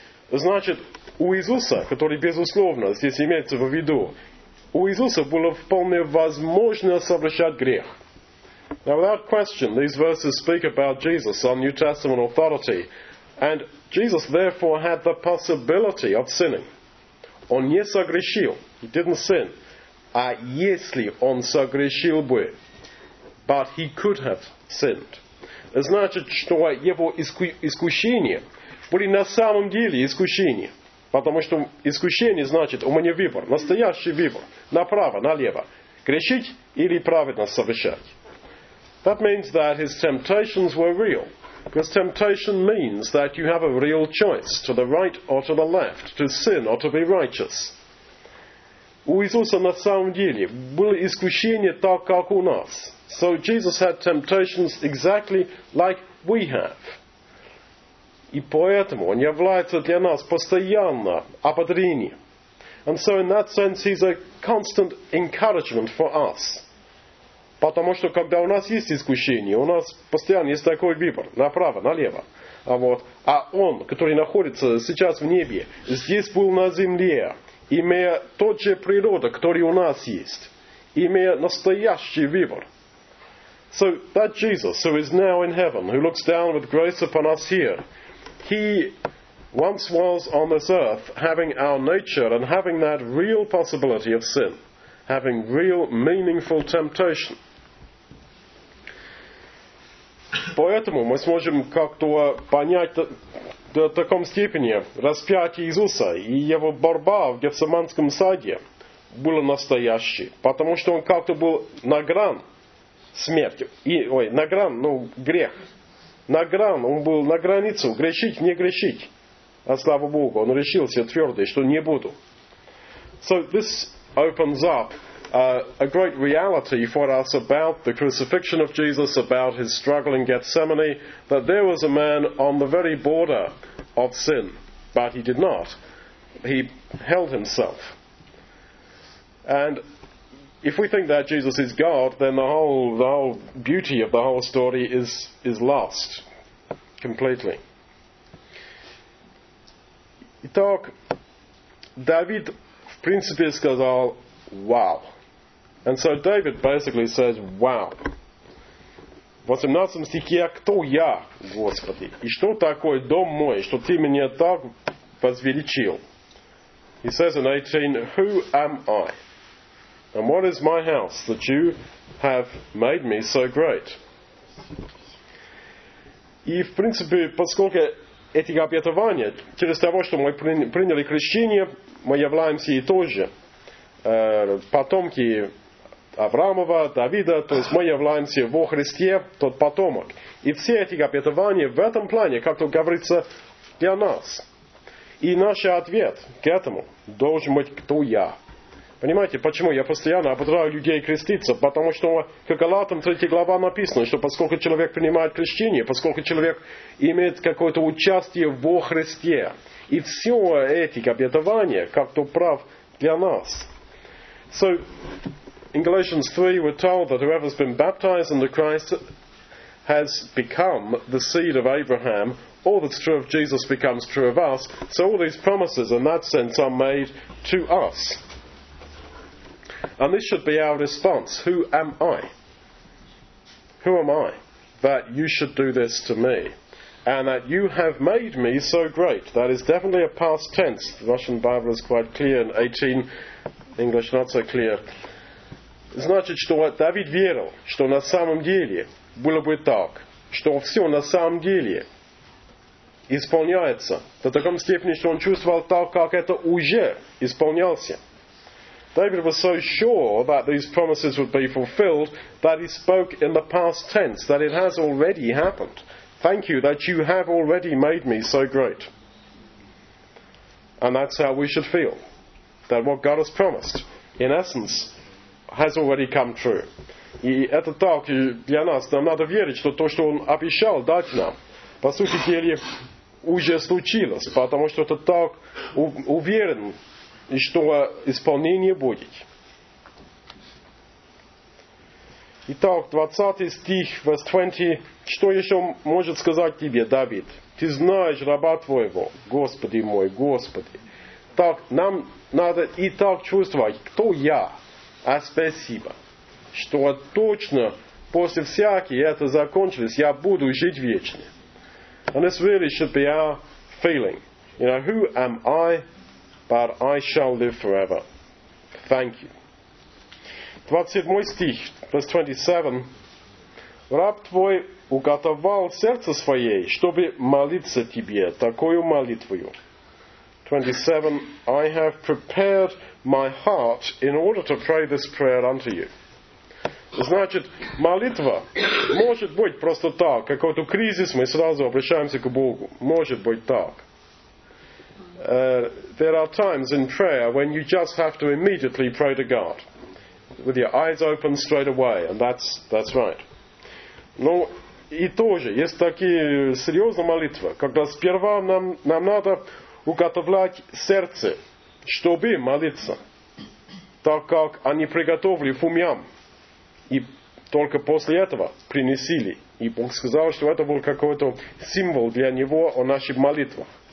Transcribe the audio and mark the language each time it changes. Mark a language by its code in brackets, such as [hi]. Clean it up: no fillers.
[ru] Значит, у Иисуса, который, безусловно, здесь имеется в виду, у Иисуса было вполне возможно совершать грех. [en] Now, without question, these verses speak about Jesus on New Testament authority. And Jesus, therefore, had the possibility of sinning. [ru] Он не согрешил. [en] He didn't sin. [ru] А если он согрешил бы? [en] But he could have sinned. [ru] Значит, что его искушение были на самом деле искушения. Потому что искушение значит, у меня выбор, настоящий выбор, направо, налево, грешить или праведно совершать. [en] That means that his temptations were real. Because temptation means that you have a real choice, to the right or to the left, to sin or to be righteous. [ru] У Иисуса на самом деле было искушение так, как у нас. [en] So Jesus had temptations exactly like we have. [ru] И поэтому он является для нас постоянно ободрением. [en] And so in that sense he's a constant encouragement for us. [ru] Потому что когда у нас есть искушение, у нас постоянно есть такой выбор, направо, налево. А вот, а он, который находится сейчас в небе, здесь был на земле, имея тот же природа, который у нас есть, имея настоящий выбор. [en] So that Jesus, who is now in heaven, who looks down with grace upon us here, he once was on this earth having our nature and having that real possibility of sin, having real meaningful temptation. [ru] Поэтому мы сможем как-то понять до таком степени распятие Иисуса и его борьба в Гефсиманском саде была настоящей, потому что он как-то был на грани смерти, ой, на грани, ну, грех. На грани, он был на границу, грешить, не грешить. А слава Богу, он решился твердо, что не буду. [en] So this opens up a great reality for us about the crucifixion of Jesus, about his struggle in Gethsemane, that there was a man on the very border of sin, but he did not. He held himself. And if we think that Jesus is God, then the whole beauty of the whole story is lost completely. [ru] Итак, David, в принципе, сказал, вау. [en] And so David basically says, wow. [ru] В 18 стихе, кто я, Господи? И что такое дом мой, что ты меня так возвеличил? [en] He says in 18, who am I? And what is my house that you have made me so great? [ru] И в принципе, поскольку эти обетования, через того, что мы приняли крещение, мы являемся и тоже потомки Авраамова, Давида, то есть мы являемся во Христе, тот потомок. И все эти обетования в этом плане, как тут говорится, для нас. И наш ответ к этому должен быть, кто я. Понимаете, почему я постоянно ободраю людей креститься? Потому что к Галатам 3 глава написано, что поскольку человек принимает крещение, поскольку человек имеет какое-то участие во Христе, и все эти обетования как-то прав для нас. [en] So, in Galatians 3 we're told that whoever's been baptized into Christ has become the seed of Abraham. All that's true of Jesus becomes true of us. So all these promises in that sense are made to us. And this should be our response. Who am I? Who am I that you should do this to me? And that you have made me so great. That is definitely a past tense. The Russian Bible is quite clear in 18. English not so clear. [ru] Значит, что Давид верил, что на самом деле было бы так, что все на самом деле исполняется до такой степени, что он чувствовал так, как это уже исполнялся. [en] David was so sure that these promises would be fulfilled that he spoke in the past tense, that it has already happened. Thank you that you have already made me so great. And that's how we should feel. That what God has promised, in essence, has already come true. [ru] И это так для нас. Нам надо верить, что то, что Он обещал дать нам, по сути дела, уже случилось, потому что это так уверен, и что исполнение будет. Итак, 20 стих, [en] verse 20. [ru] Что еще может сказать тебе Давид? Ты знаешь раба твоего, Господи мой, Господи. Так, нам надо и так чувствовать, кто я, а спасибо, что точно после всякого это закончилось, я буду жить вечно. [en] And this really should be our feeling. You know, who am I? But I shall live forever. Thank you. [ru] 27 стих, [en] verse 27. [ru] Раб твой уготовал сердце свое, чтобы молиться тебе такую молитвою. [en] 27, I have prepared my heart in order to pray this prayer unto you. [ru] Значит, молитва может быть просто так. Какой-то кризис, мы сразу обращаемся к Богу. Может быть так. [en] There are times in prayer when you just have to immediately pray to God. With your eyes open straight away. And that's right. [ru] Но и тоже есть такие серьезные молитвы, когда сперва нам надо уготовлять сердце, чтобы молиться, так как они приготовили фумьям. И только после этого принесли. И Бог сказал, что это был какой-то символ для Него о наших молитвах.